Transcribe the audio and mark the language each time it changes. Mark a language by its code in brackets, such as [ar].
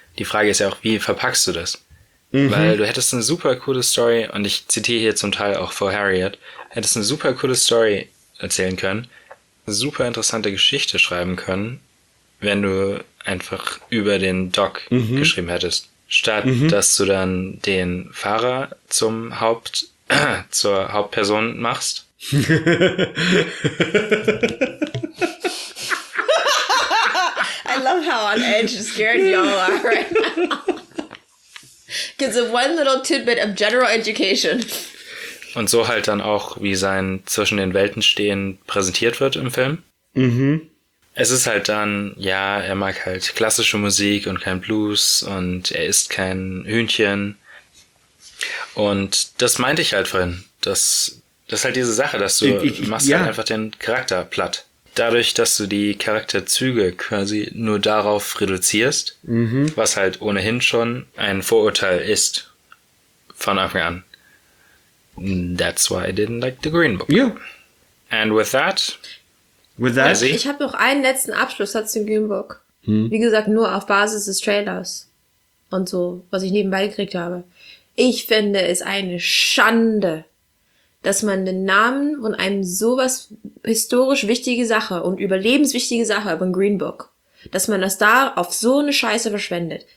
[de] Die Frage ist ja auch, wie verpackst du das? Weil du hättest eine super coole Story, und ich zitiere hier zum Teil auch vor Harriet, hättest eine super coole Story erzählen können, eine super interessante Geschichte schreiben können, wenn du einfach über den Doc geschrieben hättest. Statt dass du dann den Fahrer zur Hauptperson machst. [en] I love how on edge and scared y'all are right now. Because of one little tidbit of general education. [de] Und so halt dann auch, wie sein Zwischen den Welten stehen präsentiert wird im Film. Es ist halt dann, ja, er mag halt klassische Musik und kein Blues und er isst kein Hühnchen. Und das meinte ich halt vorhin. Das ist halt diese Sache, dass du machst halt einfach den Charakter platt. Dadurch, dass du die Charakterzüge quasi nur darauf reduzierst, was halt ohnehin schon ein Vorurteil ist von Anfang an. [en] That's why I didn't like the Green Book. Yeah. And with that, [de] ich habe noch einen letzten Abschlusssatz zum Green Book. Wie gesagt, nur auf Basis des Trailers und so, was ich nebenbei gekriegt habe. Ich finde es eine Schande, dass man den Namen von einem sowas historisch wichtige Sache und überlebenswichtige Sache beim Green Book, dass man das da auf so eine Scheiße verschwendet.